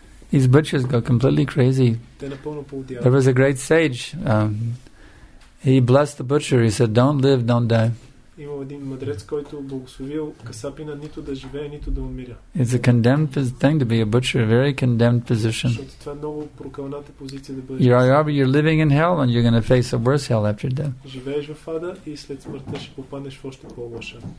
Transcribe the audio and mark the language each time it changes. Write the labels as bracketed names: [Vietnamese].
[English] These butchers go completely crazy. There was a great sage. He blessed the butcher. He said, "Don't live, don't die." [Bulgarian] Има един мъдрец, който благословил касапина нито да живее, нито да умира. [English] It's a condemned thing to be a butcher, a very condemned position. [Bulgarian] Защото това е много прокълната позиция да бъдеш. [English] You're living in hell and you're going to face a worse hell after death. [Bulgarian] Живееш в ада и след смъртта ще попаднеш в още по-лоша.